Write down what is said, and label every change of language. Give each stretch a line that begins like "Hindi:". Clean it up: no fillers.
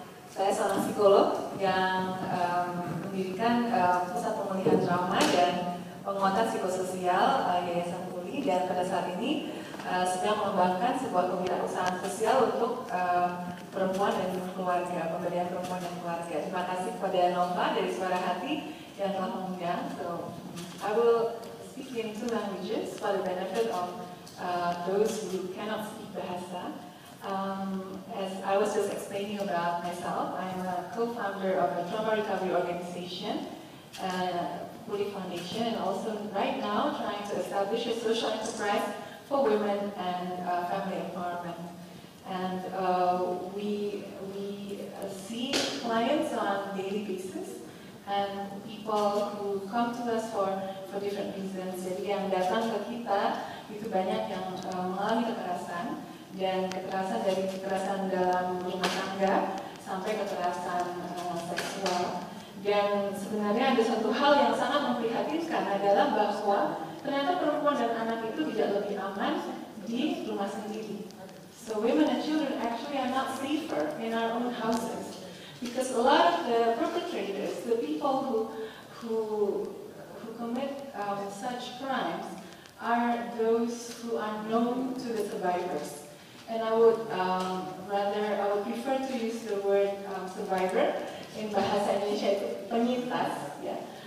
Indonesian: Saya seorang psikolog yang mendirikan pusat pemulihan trauma dan penguatan psikososial Yayasan Pulih. dan pada saat ini sedang mengembangkan sebuah kewirausahaan sosial untuk perempuan dan keluarga, pemberdayaan perempuan dan keluarga. Terima kasih kepada Nova dari Suara Hati yang telah mengundang.
English: So, I will speak in two languages for the benefit of those who cannot speak Bahasa. As I was just explaining about myself, I'm a co-founder of a trauma recovery organization, Pulih Foundation, and also right now trying to establish a social enterprise for women and family empowerment. And we see clients on a daily basis, and people who come to us for different reasons.
Indonesian: Jadi yang datang ke kita itu banyak yang mengalami kekerasan, dan kekerasan dari kekerasan dalam rumah tangga sampai kekerasan seksual. Dan sebenarnya ada satu hal yang sangat memprihatinkan adalah bahwa ternyata perempuan dan anak itu tidak lebih aman di rumah sendiri.
English: So women and children actually are not safer in our own houses, because a lot of the perpetrators, the people who commit such crimes, are those who are known to the survivors. And I would prefer to use the word survivor in Bahasa Indonesia, penyintas, yeah.